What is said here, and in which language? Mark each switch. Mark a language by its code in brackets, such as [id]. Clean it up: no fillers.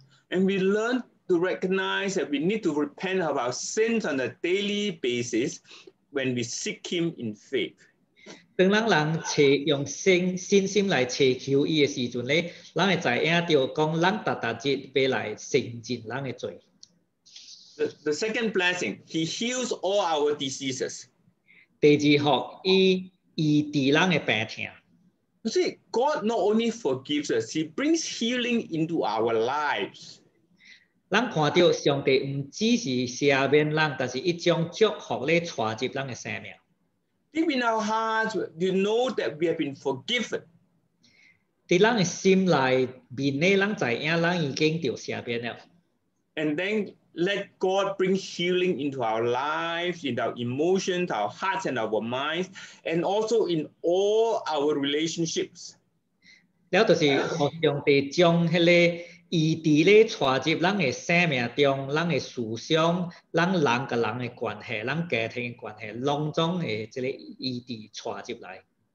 [en] And we learn to recognize that we need to repent of our sins on a daily basis when we seek Him in faith. [nan] 当人人找用心信心来找求伊的时阵咧，咱会知影到讲，咱达达只要来承认咱的罪。 [en] The second blessing, he heals all our diseases. [nan] 第二项，伊医治咱的病痛。 [en] You see, God not only forgives us, he brings healing into our lives. [nan] 咱看到上帝唔只是赦免咱，但是一种祝福咧，带入咱的生命。 [en] Deep in our hearts, you know that we have been forgiven. [nan] 在咱的心内面咧，咱知影咱已经得赦免了。 [en] And then let God bring healing into our lives, into our emotions, our hearts, and our minds, and also in all our relationships. [nan] 了，就是互相地将迄个医治咧，带入咱的生命中，咱的思想，咱人甲人的关系，咱家庭的关系，拢总的这个医治带入来。